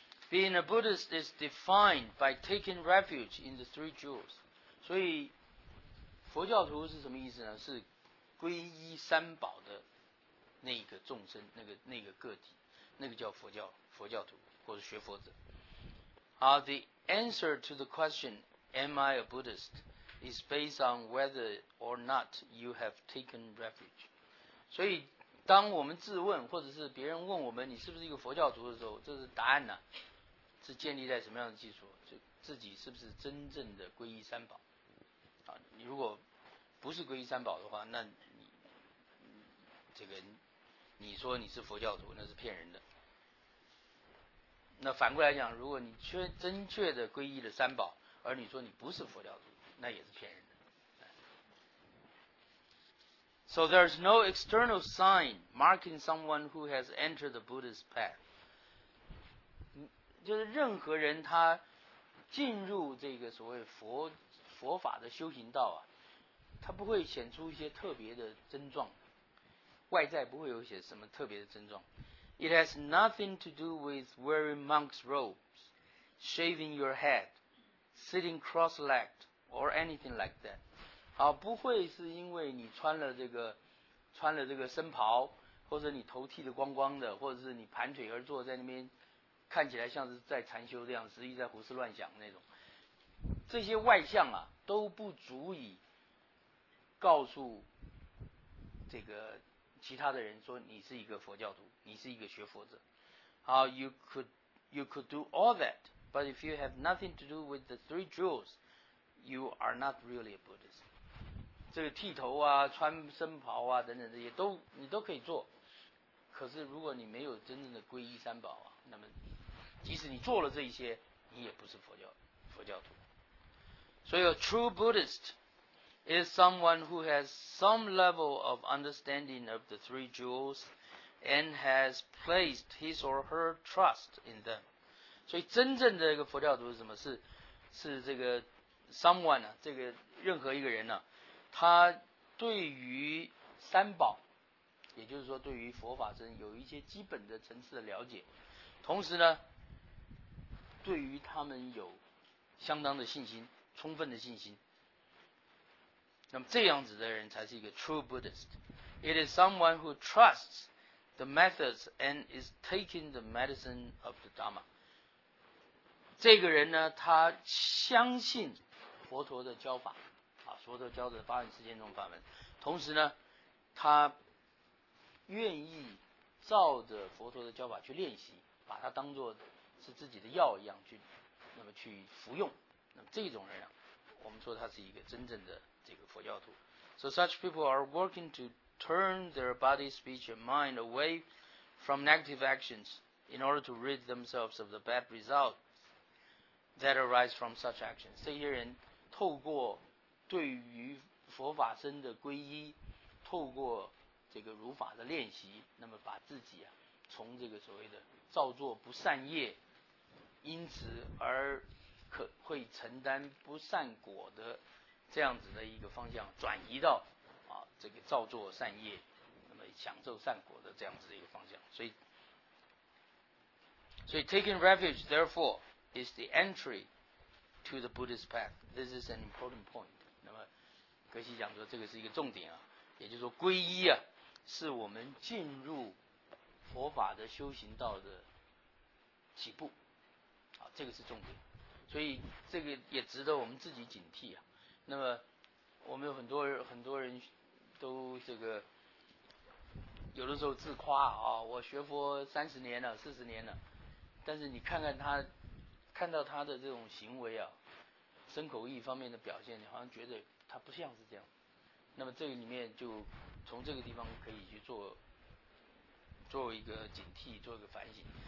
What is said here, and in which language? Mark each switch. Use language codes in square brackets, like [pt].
[en] Being a Buddhist is defined by taking refuge in the three jewels。 [zh] 所以佛教徒是什么意思呢？是皈依三宝的那个众生，那个个体，那个叫佛教徒或者学佛者。 [en] The answer to the question, am I a Buddhist, is based on whether or not you have taken refuge. [zh] 所以当我们自问，或者是别人问我们你是不是一个佛教徒的时候，这是答案呢、啊、是建立在什么样的基础，就自己是不是真正的皈依三宝。你如果不是皈依三宝的话，那你说你是佛教徒那是骗人的。那反过来讲，如果你真确的皈依了三宝，而你说你不是佛教徒，那也是骗人的。 [en] So there's no external sign marking someone who has entered the Buddhist path. [zh] 就是任何人他进入这个所谓佛法的修行道啊，他不会显出一些特别的症状，外在不会有些什么特别的症状。 [en] It has nothing to do with wearing monk's robes, shaving your head, sitting cross-legged, or anything like that. [zh] 好，不会是因为你穿了这个穿了这个僧袍，或者你头剃得光光的，或者是你盘腿而坐在那边，看起来像是在禅修这样，实际在胡思乱想那种，这些外相啊，都不足以告诉这个其他的人说你是一个佛教徒，你是一个学佛者。 [en] 好 ，you could do all that, but if you have nothing to do with the three jewels, you are not really a Buddhist。 [zh] 这个剃头啊、穿僧袍啊等等这些都你都可以做，可是如果你没有真正的皈依三宝啊，那么即使你做了这一些，你也不是佛教徒。 [en] 所以 ，a true Buddhist is someone who has some level of understanding of the three jewels and has placed his or her trust in them。 [zh] 所以，真正的一个佛教徒是什么？是这个 someone 呢、啊？这个任何一个人呢、啊？他对于三宝，也就是说对于佛法僧有一些基本的层次的了解，同时呢，对于他们有相当的信心，充分的信心。那么这样子的人才是一个 [en] true Buddhist。 It is someone who trusts the methods and is taking the medicine of the Dharma。 [zh] 这个人呢，他相信佛陀的教法。佛陀教的八万四千种法门，同时呢，他愿意照着佛陀的教法去练习，把它当作是自己的药一样去，那么去服用。那么这种人啊，我们说他是一个真正的这个佛教徒。 [en] So such people are working to turn their body, speech, and mind away from negative actions in order to rid themselves of the bad results that arise from such actions。 [zh] 这些人透过对于佛法僧的皈依，透过这个如法的练习，那么把自己啊从这个所谓的造作不善业，因此而可会承担不善果的这样子的一个方向转移到啊这个造作善业，那么享受善果的这样子的一个方向。 [en] 所以 taking refuge therefore is the entry to the Buddhist path. This is an important point. [zh] 格西讲说这个是一个重点啊，也就是说皈依啊是我们进入佛法的修行道的起步啊，这个是重点，所以这个也值得我们自己警惕啊。那么我们有很多人都这个有的时候自夸啊，我学佛30年了40年了，但是你看到他的这种行为啊，身口意方面的表现，你好像觉得他不像是这样，那么这个里面就从这个地方可以去做一个警惕，做一个反省。